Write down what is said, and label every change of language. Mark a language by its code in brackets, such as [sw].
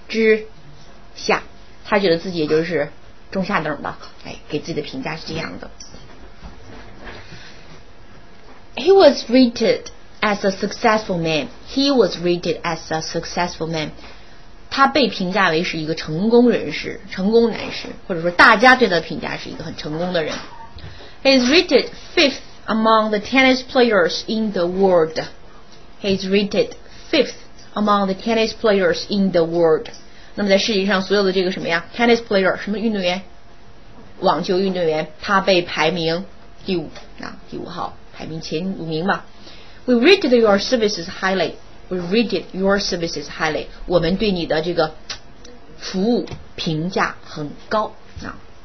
[zh] 之下，她觉得自己也就是中下等的，哎，给自己的评价是这样的。 [en] He was rated as a successful man. He was rated as a successful man. [zh] 他被评价为是一个成功人士，成功男士，或者说大家对他的评价是一个很成功的人。 [en] He is rated fifth among the tennis players in the world. He is rated fifth among the tennis players in the world. [zh] 那么在世界上所有的这个什么呀 ？Tennis player 什么运动员？网球运动员，他被排名第五啊，第五号。排名前五名吧。 [en] We rated your services highly. We rated your services highly. [zh] 我们对你的这个服务评价很高啊。